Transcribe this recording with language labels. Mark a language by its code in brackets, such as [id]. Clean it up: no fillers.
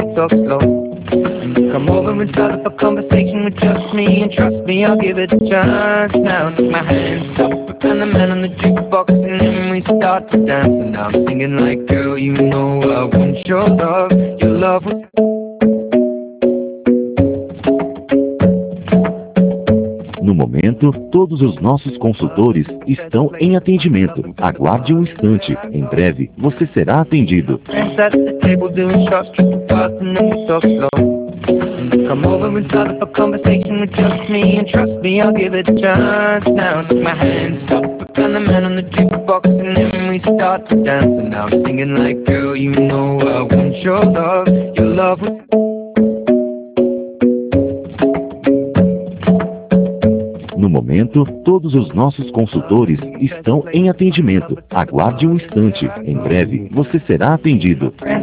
[en] Come over and start up a conversation with just me, and trust me, I'll give it a chance. Now take my hand, stop, I found the man on the jukebox, and then we start to dance. And now I'm singing like, girl, you know I want your love was... [pt] No momento, todos os nossos consultores estão em atendimento. Aguarde um instante. Em breve, você será atendido. [en] Come over and start up a conversation with just me, and trust me, I'll give it a chance. Now take my hand, stop, I found the man on the jukebox, and then we start to dance. And now I'm singing like, girl, you know I want your love was... [pt] No momento, todos os nossos consultores estão em atendimento. Aguarde um instante. Em breve, você será atendido.